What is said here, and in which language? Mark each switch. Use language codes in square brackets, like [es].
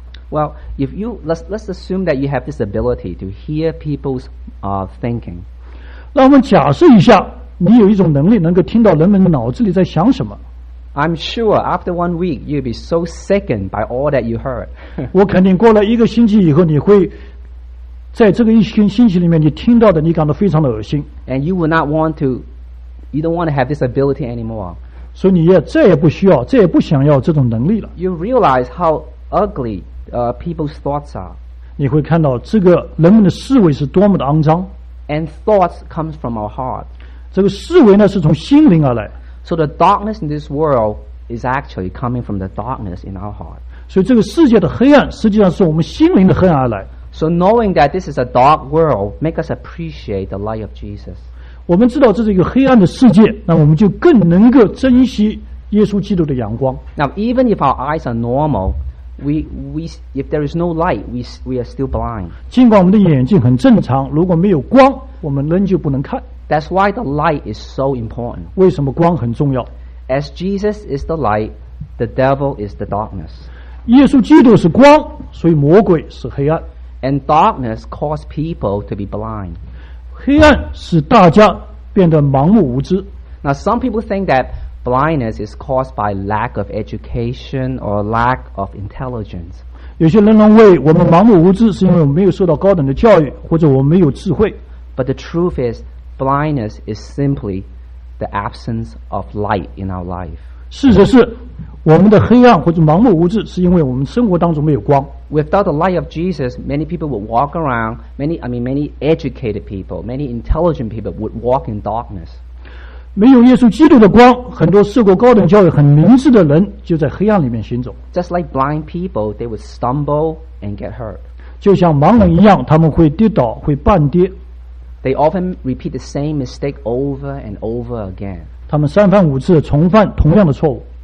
[en] Well, if you let's assume that you have this ability to hear people's thinking. [zh] 让我们假设一下，你有一种能力能够听到人们脑子里在想什么。 [en] I'm sure after 1 week you'll be so sickened by all that you heard. [zh] 我肯定过了一个星期以后，你会在这个一星期里面你听到的，你感到非常的恶心。 [en] And you don't want to have this ability anymore. [zh] 所以你也再也不需要，再也不想要这种能力了。 [en] You realize how ugly. People's thoughts are. [zh] 你会看到这个人们的思维是多么的肮脏。 [en] And thoughts come from our heart. [zh] 这个思维呢是从心灵而来。 [en] So the darkness in this world is actually coming from the darkness in our heart. [zh] 所以这个世界的黑暗实际上是我们心灵的黑暗而来。 [en] So knowing that this is a dark world makes us appreciate the light of Jesus. [zh] 我们知道这是一个黑暗的世界，那我们就更能够珍惜耶稣基督的阳光。 [en] Now even if our eyes are normal. We if there is no light, we are still blind. [zh] 尽管我们的眼睛很正常，如果没有光，我们仍旧不能看。 [en] That's why the light is so important. [zh] 为什么光很重要 [en] ？As Jesus is the light, the devil is the darkness. [zh] 耶稣基督是光，所以魔鬼是黑暗。 [en] And darkness causes people to be blind. [zh] 黑暗使大家变得盲目无知。 [en] Now some people think that blindness is caused by lack of education or lack of intelligence. [zh] 有些人认为我们盲目无知是因为我们没有受到高等的教育，或者我们没有智慧。 [en] But the truth is, blindness is simply the absence of light in our life. [zh] 事实是，我们的黑暗或者盲目无知是因为我们生活当中没有光。 [en] Without the light of Jesus, many people would walk around. Many educated people, many intelligent people would walk in darkness. [zh] 没有耶稣基督的光，很多受过高等教育、很明智的人就在黑暗里面行走。 [en] Just like blind people, they would stumble and get hurt. [zh] 就像盲人一样，他们会跌倒，会绊跌。 [en] They often repeat the same mistake over and over again. [zh] 他们三番五次重犯同样的错误。